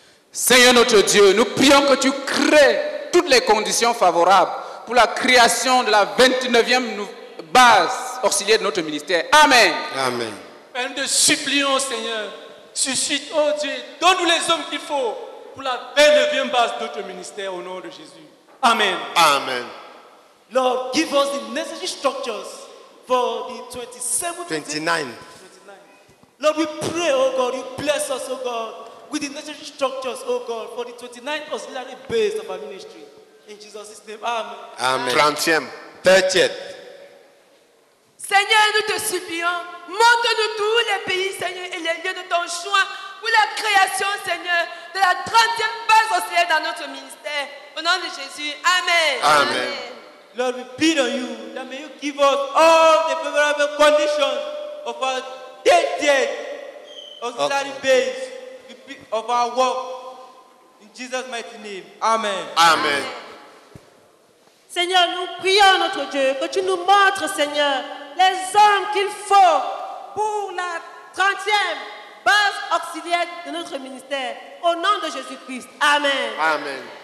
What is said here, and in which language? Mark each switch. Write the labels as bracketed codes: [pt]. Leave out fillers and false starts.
[fr] Seigneur notre Dieu, nous prions que tu crées toutes les conditions favorables pour la création de la 29e base auxiliaire de notre ministère. Amen. Amen. Et nous te supplions, Seigneur, suscite, oh Dieu, donne-nous les hommes qu'il faut pour la 29e base de notre ministère, au nom de Jésus. Amen. Amen. [en] Lord, give us the necessary structures for the 29. Lord, we pray, oh God, you bless us, oh God, with the necessary structures, oh God, for the 29th auxiliary base of our ministry. In Jesus' name, amen. Amen. 30th. 30th. [fr] Seigneur, nous te supplions, montre-nous tous les pays, Seigneur, et les lieux de ton choix pour la création, Seigneur, de la 30e base auxiliaire dans notre ministère. Au nom de Jésus, amen. Amen. [en] Lord, we plead on you that may you give us all the favorable conditions of our day-to-day auxiliary base of our work. In Jesus' mighty name, amen. Amen. [fr] Seigneur, nous prions notre Dieu que tu nous montres, Seigneur, les hommes qu'il faut pour la 30e base auxiliaire de notre ministère. Au nom de Jésus-Christ, amen. Amen.